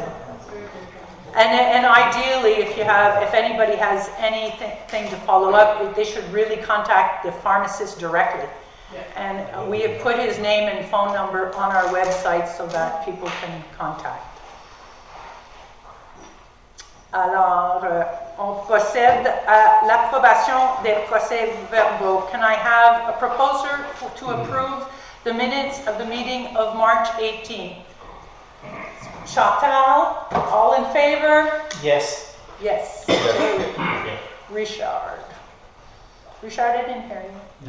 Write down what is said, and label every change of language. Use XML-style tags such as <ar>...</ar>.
<en>That's very good. And ideally, if anybody has anything to follow up, they should really contact the pharmacist directly. Yeah. And we have put his name and phone number on our website so that people can contact.</en> <fr>Alors, on procède à l'approbation des procès-verbaux.</fr> <en>Can I have a proposer to approve the minutes of the meeting of March 18th? Chantal, all in favor? Yes. Yes. Yeah. Richard. Richard, I didn't hear you.</en>